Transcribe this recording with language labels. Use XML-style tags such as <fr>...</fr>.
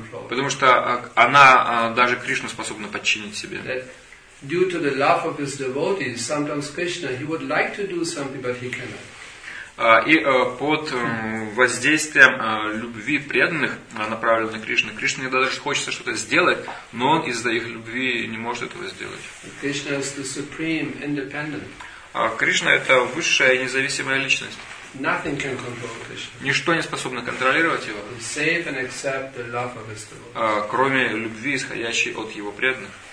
<ru>Потому что она даже Кришну способна подчинить себе.</ru> <en>Due to the love of his devotees, sometimes Krishna he would like to do something, but he cannot.</en> <ru>И под воздействием любви преданных, направленных Кришне, Кришне даже хочется что-то сделать, но он из-за их любви не может этого сделать. Кришна – это высшая и независимая личность. Ничто не способно контролировать его, кроме любви, исходящей от его преданных.</ru>